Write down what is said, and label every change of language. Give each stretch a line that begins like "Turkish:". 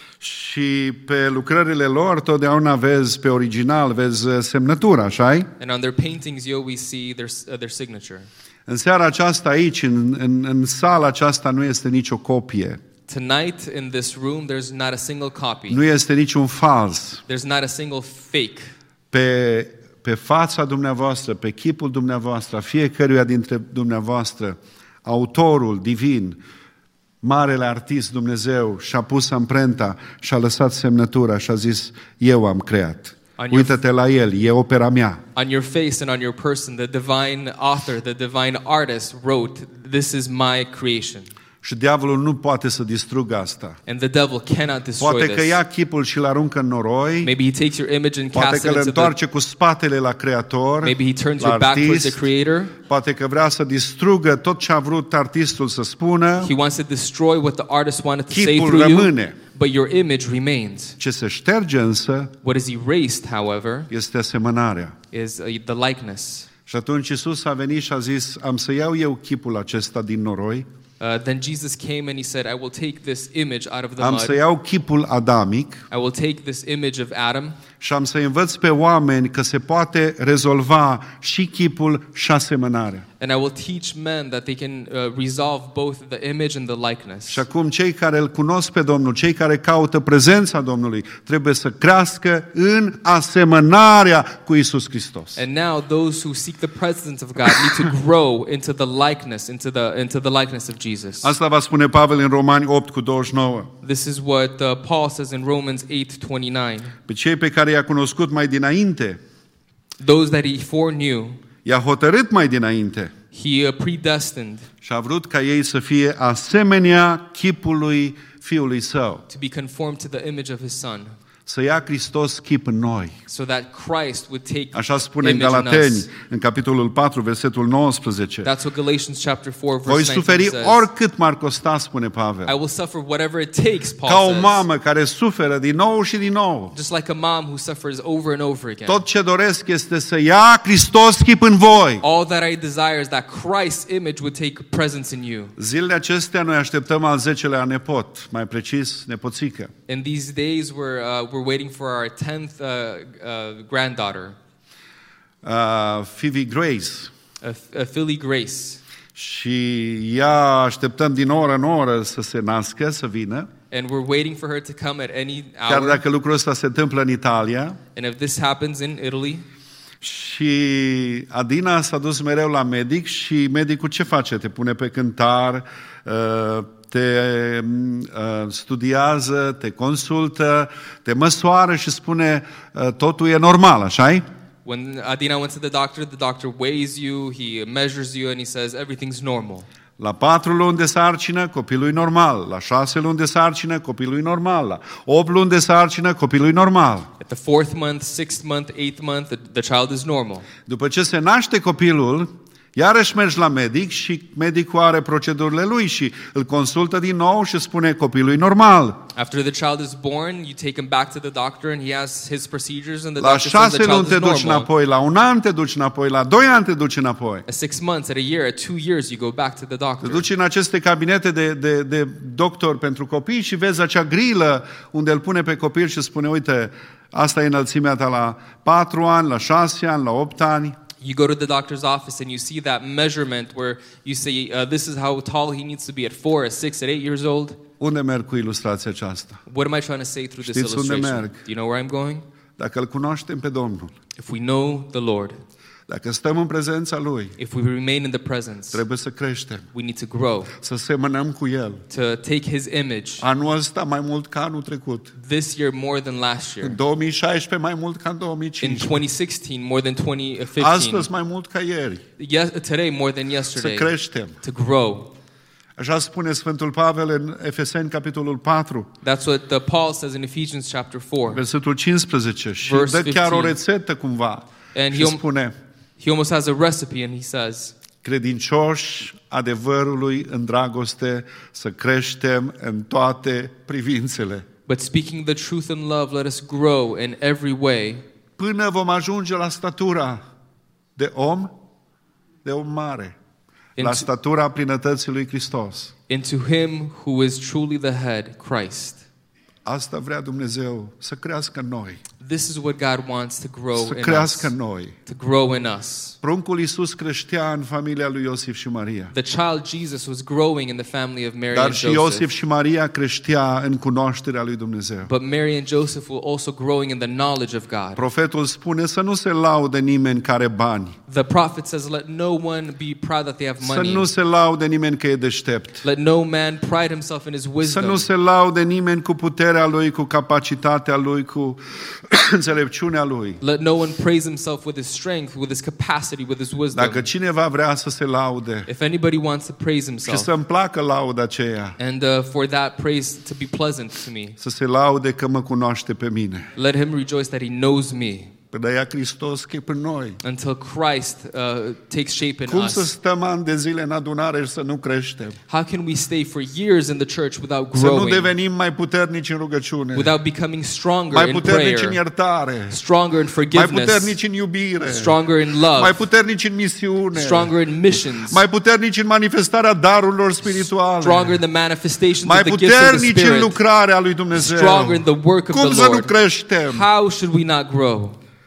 Romanian: Și pe lucrările lor totdeauna vezi pe original, vezi semnătura, așa-i?
English: And on their paintings you always see their signature.
Romanian: În seara aceasta aici, în sala aceasta, nu este nicio copie.
English: Tonight in this room there's not a single copy.
Romanian: Nu este niciun fals.
English: There's not a single fake.
Romanian: Pe fața dumneavoastră, pe chipul dumneavoastră, fiecăruia dintre dumneavoastră, autorul divin, marele artist Dumnezeu și-a pus amprenta și-a lăsat semnătura și-a zis, eu am creat. Uită-te la el, e opera mea.
English: On your face and on your person, the divine author, the divine artist wrote, this is my creation.
Romanian: Și diavolul nu poate să distrugă asta.
English: And the devil cannot destroy
Romanian: poate că
English: this.
Romanian: Ia chipul și-l aruncă în noroi.
English: Maybe he takes your image and
Romanian: poate că îl întoarce cu spatele la creator.
English: Maybe he turns
Romanian: la
English: your back towards the creator.
Romanian: Poate că vrea să distrugă tot ce a vrut artistul să spună.
English: He wants to destroy what the artist wanted to
Romanian: chipul
English: say through
Romanian: rămâne.
English: You. But your image remains.
Romanian: Ce se șterge însă,
English: what is erased, however,
Romanian: este asemănarea.
English: Is the likeness.
Romanian: Și atunci Iisus a venit și a zis, am să iau eu chipul acesta din noroi.
English: Then Jesus came and he said, I will take this image out of the
Romanian: am
English: mud.
Romanian: Am să iau chipul adamic.
English: I will take this image of Adam.
Romanian: Și am să învăț pe oameni că se poate rezolva și chipul și asemănarea.
English: And I will teach men that they can resolve both the image and the likeness.
Romanian: Și acum cei care îl cunosc pe Domnul, cei care caută prezența Domnului, trebuie să crească în asemănarea cu Iisus Hristos.
English: And now those who seek the presence of God need to grow into the likeness, into the likeness of Jesus.
Romanian: Asta va spune Pavel în Romani 8:29.
English: This is what Paul says in Romans 8:29.
Romanian: Pe cei pe care i-a cunoscut mai dinainte.
English: Those that he foreknew.
Romanian: I-a hotărât mai dinainte.
English: He predestined.
Romanian: Și a vrut ca ei să fie asemenea chipului fiului său.
English: To be conformed to the image of his son.
Romanian: Să ia Hristos chip în noi.
English: So that Christ would take.
Romanian: Așa spune în Galateni, în capitolul 4, versetul 19.
English: That's what Galatians chapter 4 verse 19 says.
Romanian: Voi suferi oricât m-ar costa, spune Pavel.
English: I will suffer whatever it takes, Paul
Romanian: ca o mamă care suferă din nou și din nou.
English: Just like a mom who suffers over and over again.
Romanian: Tot ce doresc este să ia Hristos chip în voi.
English: All that I desire is that Christ's image would take presence in you.
Romanian: Zilele acestea noi așteptăm al 10-lea nepot, mai precis nepoțică.
English: In these days we're waiting for our 10th granddaughter.
Romanian: Phoebe Grace.
English: Philly Grace.
Romanian: Și ea așteptăm din oră în oră să se nască, să vină.
English: And we're waiting for her to come at any hour.
Romanian: Chiar dacă lucrul ăsta se întâmplă în Italia.
English: And if this happens in Italy.
Romanian: Și Adina s-a dus mereu la medic și medicul ce face? Te pune pe cântar, te studiază, te consultă, te măsoară și spune totul e normal, așa-i?
English: When Adina went to the doctor weighs you, he measures you and he says everything's normal.
Romanian: La 4 luni de sarcină, copilul e normal. La 6 luni de sarcină, copilul e normal. La 8 luni de sarcină, copilul e normal.
English: At the 4th month, 6th month, 8th month, the child is normal.
Romanian: După ce se naște copilul, iarăși mergi la medic și medicul are procedurile lui și îl consultă din nou și spune copilul e normal.
English: After the child is born, you take him back to the doctor and he has his procedures and the
Romanian: la
English: doctor says the child is normal.
Romanian: La 6 luni te duci înapoi, la 1 an te duci înapoi, la 2 ani te duci înapoi.
English: At 6 months, at a year, at 2 years you go back to the doctor.
Romanian: Te duci în aceste cabinete de doctor pentru copii și vezi acea grilă unde îl pune pe copil și spune uite, asta e înălțimea ta la 4 ani, la 6 ani, la 8 ani.
English: You go to the doctor's office and you see that measurement where you say this is how tall he needs to be at 4, 6, at 8 years old.
Romanian: Unde merg cu ilustrația aceasta?
English: What am I trying to say through
Romanian: Știți
English: this illustration?
Romanian: Unde merg?
English: Do you know where I'm going?
Romanian: Dacă îl cunoaștem pe Domnul.
English: If we know the Lord.
Romanian: Dacă stăm în prezența lui.
English: If we remain in the presence.
Romanian: Trebuie să creștem.
English: We need to grow.
Romanian: Să semănăm cu el.
English: To take his image.
Romanian: Anul ăsta mai mult ca anul trecut.
English: This year more than last year.
Romanian: În 2016 mai mult ca în 2015.
English: In 2016 more than 2015.
Romanian: Astăzi mai mult ca ieri.
English: Today more than yesterday.
Romanian: Să creștem.
English: To grow.
Romanian: Așa spune Sfântul Pavel în Efeseni capitolul 4.
English: That's what the Paul says in Ephesians chapter 4.
Romanian: Versetul 15 și dă chiar o rețetă cumva.
English: And
Romanian: și spune
English: He almost has a recipe and he says
Romanian: Credincioși adevărului în dragoste să creștem în toate privințele.
English: But speaking the truth in love let us grow in every way.
Romanian: Până vom ajunge la statura de om mare,
English: into,
Romanian: la statura plinătății lui Hristos.
English: Into him who is truly the head, Christ.
Romanian: Asta vrea Dumnezeu să crească în noi.
English: This is what God wants to grow
Romanian: să crească în noi.
English: To grow in us.
Romanian: Pruncul Iisus creștea în familia lui Iosif și Maria.
English: The child Jesus was growing in the family of Mary
Romanian: Dar
English: and Joseph.
Romanian: Dar și Iosif și Maria creștea în cunoașterea lui Dumnezeu.
English: But Mary and Joseph were also growing in the knowledge of God.
Romanian: Profetul spune să nu se laude nimeni care bani.
English: The prophet says let no one be proud that they have money.
Romanian: Să nu se laude nimeni că e deștept.
English: Let no man pride himself in his wisdom.
Romanian: Să nu se laude nimeni cu puterea lui, cu capacitatea lui, cu înțelepciunea lui.
English: Let no one praise himself with his strength, with his capacity, with his wisdom.
Romanian: Dacă cineva vrea să se laude.
English: If anybody wants to praise himself.
Romanian: Și să-mi placă lauda aceea.
English: And for that praise to be pleasant to me.
Romanian: Să se laude că mă cunoaște pe mine.
English: Let him rejoice that he knows me.
Romanian: Până ia Hristos chip în noi.
English: Until Christ takes shape in
Romanian: Cum
English: us.
Romanian: Cum să stăm ani de zile în adunare și să nu creștem?
English: How can we stay for years in the church without growing?
Romanian: Să nu devenim mai puternici în rugăciune.
English: Without becoming stronger
Romanian: mai
English: in prayer.
Romanian: Mai puternici în iertare.
English: Stronger in forgiveness.
Romanian: Mai puternici în iubire.
English: Stronger in love.
Romanian: Mai puternici în misiune.
English: Stronger in missions.
Romanian: Mai puternici în manifestarea darurilor spirituale.
English: Stronger in the manifestations
Romanian: mai
English: of the gifts of the Spirit.
Romanian: Mai puternici în lucrarea lui Dumnezeu.
English: Stronger in the work of
Romanian: Cum
English: the
Romanian: să
English: Lord.
Romanian: Nu creștem?
English: How should we not grow?